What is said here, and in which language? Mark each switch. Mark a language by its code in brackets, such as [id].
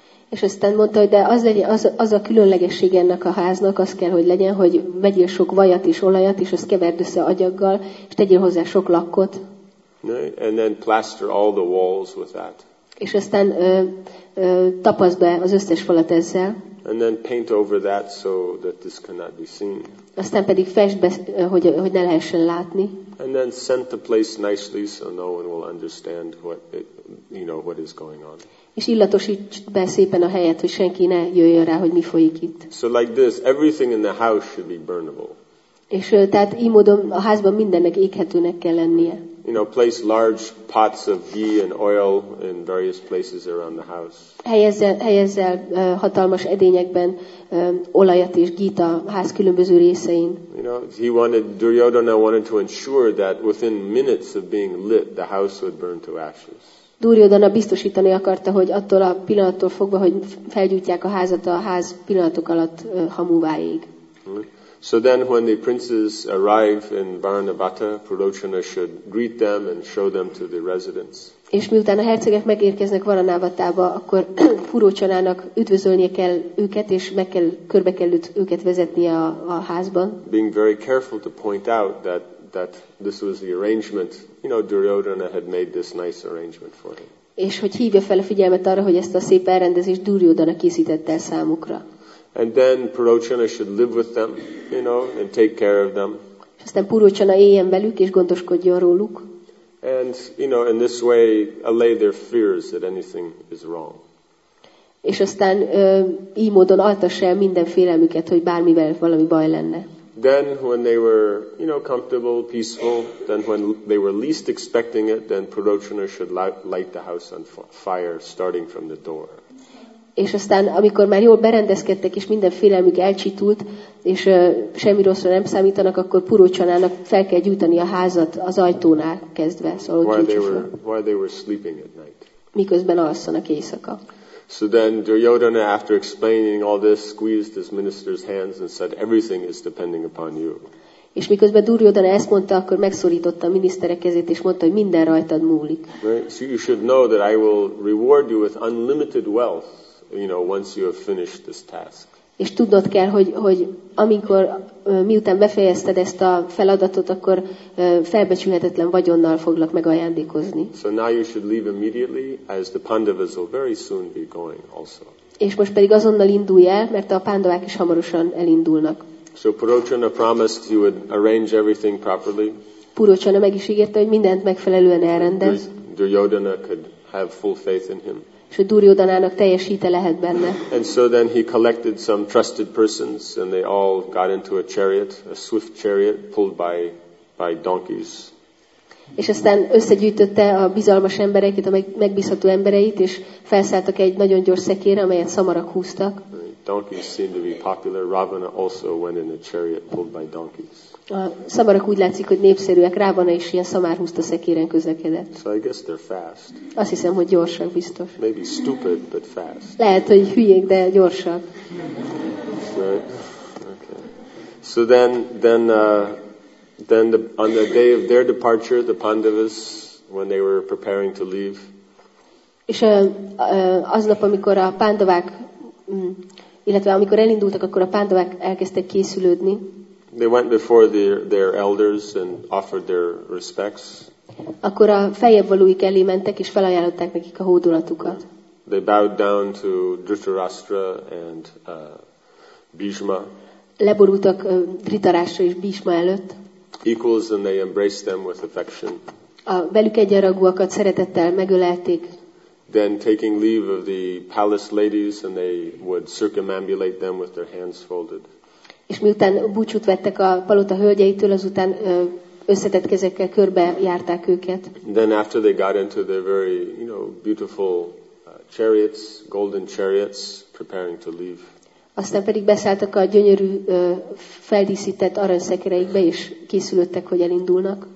[hu] És aztán mondta, hogy de az a különlegesség ennek a háznak, az kell, hogy legyen, hogy vegyél sok vajat és olajat, és azt keverd össze agyaggal, és tegyél hozzá sok lakkot. [en] And then plaster all the walls with that. [hu] És aztán tapaszd be az összes falat ezzel. [en] And then paint over that so that this cannot be seen. [hu] Aztán pedig festd be, hogy ne lehessen látni. [en] And then scent the place nicely so no one will understand what is going on. [hu] És illatosítsd be szépen a helyet, hogy senki ne jöjjön rá, hogy mi folyik itt. [en] So like this, everything in the house should be burnable. [hu] És tehát így módon a házban mindennek éghetőnek kell lennie. [en] You know, place large pots of ghee and oil in various places around the house. [hu] Helyezzel hatalmas edényekben olajat és ghee-t a ház különböző részein. [en] You know, Duryodhana wanted to ensure that within minutes of being lit, the house would burn to ashes. [hu] Duryodhana biztosítani akarta, hogy attól a pillanattól fogva, hogy felgyújtják a házat, a ház pillanatok alatt hamuvá ég. [en] So then when the princes arrive in Varanavata, Purocsana should greet them and show them to the residence. [hu] És miután a hercegek megérkeznek Varanavatába, akkor Purocsanának üdvözölnie kell őket, és körbe kell őket vezetni a házban. [en] Being very careful to point out that this was the arrangement, you know, Duryodhana had made this nice arrangement for him. [hu] És hogy hívja fel a figyelmet arra, hogy ezt a szép elrendezést Duryodhana készítette el számukra. [en] And then Purocsana should live with them, you know, and take care of them. [hu] És aztán Purocsana éljen velük és gondoskodjon róluk. [en] And, you know, in this way allay their fears that anything is wrong. [hu] És aztán így módon altassa el minden félelmüket, hogy bármivel valami baj lenne. [en] Then when they were, you know, comfortable, peaceful, then when they were least expecting it, then Purocsana should light the house on fire, starting from the door. [hu] És aztán, amikor már jól berendezkedtek, és minden félelmük elcsitult, és semmi rosszra nem számítanak, akkor Purocsanának fel kell gyújtani a házat az ajtónál kezdve. Szóval [en] while they were sleeping at night. [hu] Miközben alszanak éjszaka. [en] So then Duryodhana, after explaining all this, squeezed his minister's hands and said, "Everything is depending upon you." [hu] És miközben Duryodhana ezt mondta, akkor megszorította a miniszterek kezét, és mondta, hogy minden rajtad múlik. [en] Right? So you should know that I will reward you with unlimited wealth, you know, once you have finished this task. [hu] És tudnod kell, hogy amikor miután befejezted ezt a feladatot, akkor felbecsülhetetlen vagyonnal foglak megajándékozni. [en] So now you should leave immediately, as the Pandavas will very soon be going also. [hu] És most pedig azonnal indulj el, mert a pándavák is hamarosan elindulnak. [en] So Purocsana promised he would arrange everything properly. [hu] Purocsana meg is ígérte, hogy mindent megfelelően elrendez. [en] Duryodhana could have full faith in him. [hu] És hogy Duryodhanának teljes hite lehet benne. [en] And so then he collected some trusted persons, and they all got into a chariot, a swift chariot pulled by donkeys. [hu] És aztán összegyűjtötte a bizalmas embereket, a megbízható embereit, és felszálltak egy nagyon gyors szekére, amelyet szamarak húztak. [en] Donkeys seem to be popular. Ravana also went in a chariot pulled by donkeys. [hu] A szamarak úgy látszik, hogy népszerűek. Ravana is ilyen szamár húzta szekéren közlekedett. [en] So I guess they're fast. [hu] Azt hiszem, hogy gyorsak biztos. [en] Maybe stupid, but fast. [hu] Lehet, hogy hülyék, de gyorsak. [en] Right. Okay. So then on the day of their departure, the Pandavas, when they were preparing to leave. [hu] És aznap, amikor a pándavák illetve amikor elindultak, akkor a pándavák elkezdtek készülődni. [en] They went before their elders and offered their respects. [hu] Akkor a feljebb valóik elé mentek és felajánlották nekik a hódolatukat. [en] They bowed down to Dhritarashtra and Bhishma. [hu] Leborultak Dhritarashtra és Bhishma előtt. [en] Equals, and they embraced them with affection. [hu] A velük egyenragúakat szeretettel megölelték. [en] Then taking leave of the palace ladies, and they would circumambulate them with their hands folded. [hu] És miután búcsút vettek a palota hölgyeitől, azután összetett kezekkel körbe járták őket. [en] Then after they got into their very, you know, beautiful chariots, golden chariots, preparing to leave. [hu] Aztán pedig beszálltak a gyönyörű feldíszített aranyszekereikbe, és készülődtek, hogy elindulnak.